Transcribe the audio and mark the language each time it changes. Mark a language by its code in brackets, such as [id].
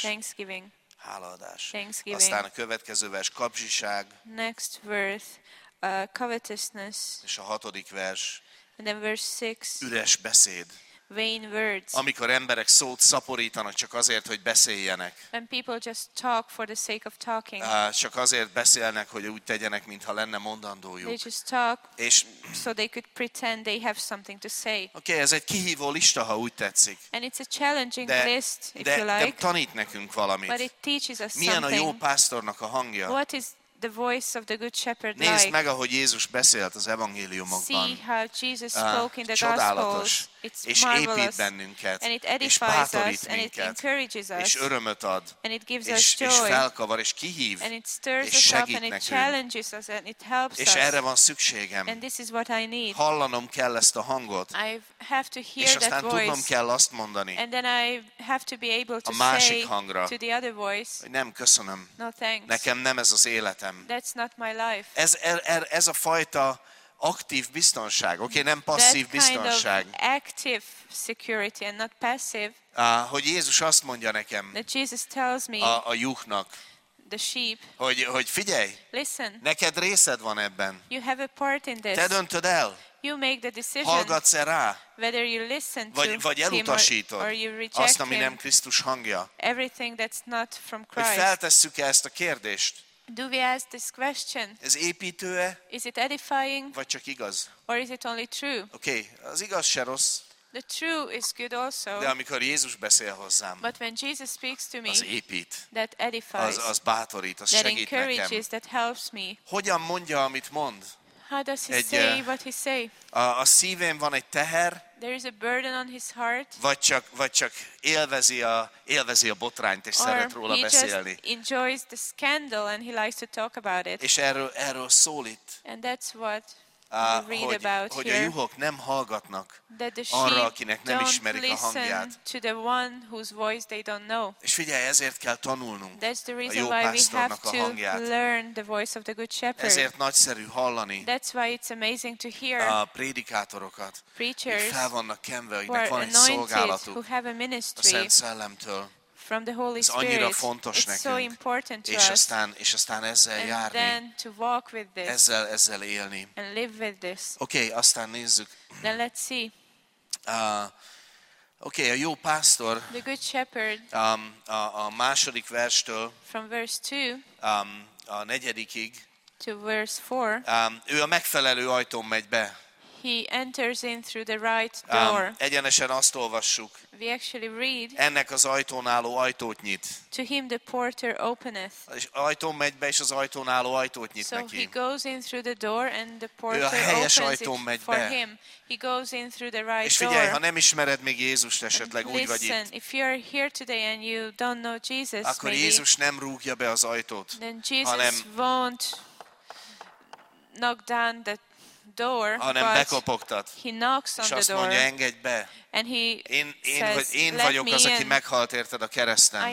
[en] Thanksgiving. [hu] Hálaadás. [en] Thanksgiving. [hu] Aztán a következő vers, kapzsiság. [en] Next verse. Covetousness. [hu] És a hatodik vers. [en] And then verse 6. [hu] Üres beszéd. [en] Vain words. [hu] Amikor emberek szót szaporítanak csak azért, hogy beszéljenek. [en] When people just talk for the sake of talking. [hu] Csak azért beszélnek, hogy úgy tegyenek, mintha lenne mondandójuk. [en] They just talk so they could pretend they have something to say. [hu] Okay, ez egy kihívó lista, ha úgy tetszik. [en] And it's a challenging list, if you like. [hu] De tanít nekünk valamit. [en] But it teaches us [hu] milyen [en] something. [hu] Milyen a jó pásztornak a hangja? [en] What is the voice of the good shepherd like. [hu] Nézd meg, ahogy Jézus beszélt az evangéliumokban. [en] See how Jesus spoke in the [hu] csodálatos, [en] gospels. It's marvelous. [hu] És épít bennünket. [en] And it edifies us. And it encourages us. [hu] És örömöt ad. [en] And it gives us joy. [hu] És felkavar, és kihív. [en] And it stirs us up. And it challenges us. And it helps us. [hu] És erre van szükségem. [en] And this is what I need. [hu] Hallanom kell ezt a hangot. [en] I have to hear that voice. [hu] És aztán tudnom kell azt mondani. [en] And then I have to be able to [hu] a másik [en] say [hu] hangra, [en] to the other voice. [hu] Nem, köszönöm. [en] No thanks. [hu] Nekem nem ez az életem. [en] That's not my life. [hu] Ez a fajta aktív biztonság, oké, nem passzív biztonság. [en] That kind of active security and not passive. [hu] Hogy Jézus azt mondja nekem. [en] That Jesus tells me. [hu] A juhnak. [en] The sheep. [hu] Hogy figyelj. [en] Listen. [hu] Neked részed van ebben. [en] You have a part in this. [hu] Te döntöd el. [en] You make the decision. [hu] Hallgatsz-e rá? [en] Whether you listen to [hu] vagy elutasítod [en] him or you reject [hu] azt, ami nem Krisztus hangja. [en] Everything that's not from Christ. [hu] Hogy feltesszük-e ezt a kérdést? [en] Do we ask this question? [hu] Ez építő-e? [en] Is it edifying? [hu] Vagy csak igaz? [en] Or is it only true? [hu] Okay, az igaz se rossz. [en] The true is good also. [hu] De amikor Jézus beszél hozzám, [en] but when Jesus speaks to me, [hu] az épít. [en] That edifies. [hu] Az bátorít, az [en] that [hu] segít [en] encourages, [hu] nekem. [en] That helps me. [hu] Hogyan mondja, amit mond? [en] How does he say what he say? [hu] A szívén van egy teher. [en] There is a burden on his heart. [hu] Vagy csak élvezi a botrányt és szeret róla beszélni. [en] Or he just enjoys the scandal and he likes to talk about it. [hu] És erről szól itt. [en] And that's what we read about [hu] hogy [en] here. [hu] Hogy a juhok nem hallgatnak arra, akinek nem ismerik a hangját. [en] To the one whose voice they don't know. [hu] És figyelj, ezért kell tanulnunk. [en] That's the reason why we have to learn the voice of the good shepherd. [hu] Ezért nagyszerű hallani. [en] That's why it's amazing to hear. [hu] A prédikátorokat. [en] Preachers. [hu] Fel vannak kenve, akinek van egy szolgálatuk. [en] Who have a ministry. [hu] A Szent Szellemtől. [en] From the Holy Spirit. [hu] Ez annyira fontos nekünk. [en] It's so important to us. [hu] És aztán ezzel [en] and [hu] járni. [en] And then to walk with this. [hu] Ezzel élni. [en] And live with this. [hu] Okay, aztán nézzük. [en] Then let's see. [hu] Okay, a jó pásztor. [en] The good shepherd. [hu] A második verstől. [en] From verse 2. [hu] A negyedikig. [en] To verse 4. [hu] Ő a megfelelő ajtón megy be. [en] He enters in through the right door. [hu] Egyenesen azt olvassuk. [en] We actually read. [hu] Ennek az ajtón álló ajtót nyit. [en] To him the porter openeth. [hu] És ajtón megy be, és az ajtón álló ajtót nyit [en] so [hu] neki. [en] So he goes in through the door and the porter [hu] ő a helyes ajtón [en] it [hu] megy [en] for [hu] be. [en] Him. He goes in through the right door. [hu] És figyelj, ha nem ismered még Jézust esetleg, [en] listen, [hu] úgy vagy itt. [en] Listen, if you are here today and you don't know Jesus, [hu] akkor [en] maybe, [hu] Jézus nem rúgja be az ajtót. [en] Then Jesus won't knock down the door, [hu] hanem bekopogtat. [en] He knocks on [hu] és [en] the [hu] azt [en] door, [hu] mondja, engedj be. [en] And he [hu] én, [en] says, [hu] hogy én [en] let [hu] vagyok [en] me [hu] az, aki [en] in. [hu] Meghalt érted a kereszten.